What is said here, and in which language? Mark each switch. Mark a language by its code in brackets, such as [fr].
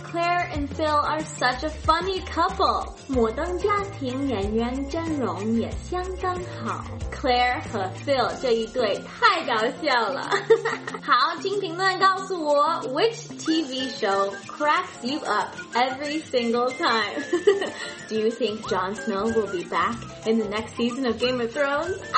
[en] Claire and Phil are such a funny couple. [zh] 摩登家庭演员阵容也相当好。 Claire 和 Phil 这一对太搞笑了。好，请评论告诉我 [en] ，which TV show cracks you up every single time? Do you think Jon Snow will be back in the next season of Game of Thrones?